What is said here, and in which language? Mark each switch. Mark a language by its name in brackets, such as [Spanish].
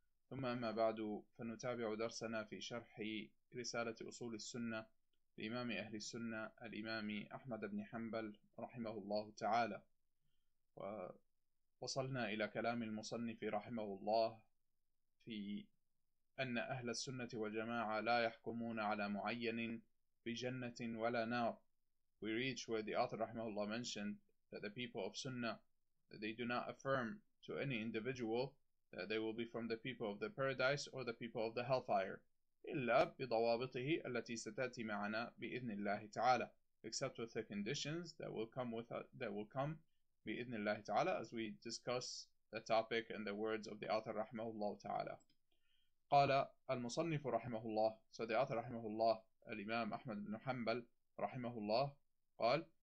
[Arabic] ثم أما بعد، فنتابع درسنا في شرح رسالة أصول السنة الإمام أهل السنة الإمام أحمد بن حنبل رحمه الله تعالى. ووصلنا إلى كلام المصنف رحمه الله في أن أهل السنة والجماعة لا يحكمون على معين بجنة ولا نار. [English] We reach where the author رحمه الله mentioned that the people of Sunnah, that they do not affirm to any individual that they will be from the people of the paradise or the people of the hellfire. [Arabic] إلا بضوابطه التي ستأتي معنا بإذن الله تعالى. [English] Except with the conditions that will come with that will come [Arabic] بإذن الله تعالى, [English] as we discuss the topic and the words of the author رحمه الله تعالى. [Arabic] قال المصنف رحمه الله. [English] So the author [Arabic] رحمه الله الإمام أحمد بن حنبل رحمه الله قال.